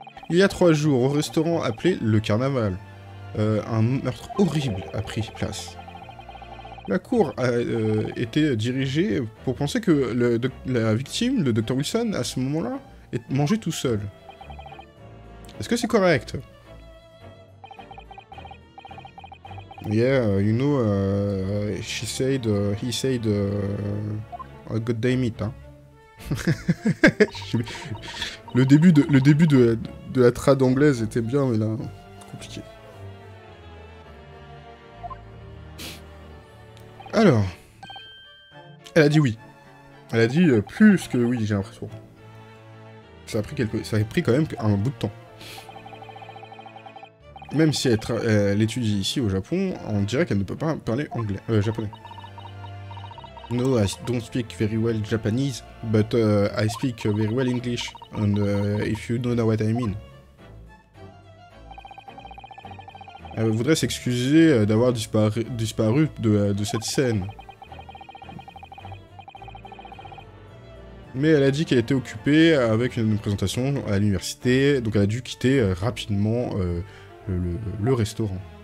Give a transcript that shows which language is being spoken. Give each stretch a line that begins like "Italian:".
French: Il y a 3 jours, au restaurant appelé Le Carnaval, un meurtre horrible a pris place. La cour a été dirigée pour penser que la victime, le Dr. Wilson, à ce moment-là, mangeait tout seul. Est-ce que c'est correct?
English: Yeah, you know, she said, he said, God damn it, hein.
French: le début de la trad anglaise était bien, mais là, compliqué. Alors, elle a dit oui. Elle a dit plus que oui, j'ai l'impression. Ça a pris quand même un bout de temps. Même si elle étudie ici au Japon, on dirait qu'elle ne peut pas parler anglais, japonais.
English: No, I don't speak very well Japanese, but I speak very well English, and if you don't know what I mean.
French: Elle voudrait s'excuser d'avoir disparu de cette scène. Mais elle a dit qu'elle était occupée avec une présentation à l'université, donc elle a dû quitter rapidement le restaurant.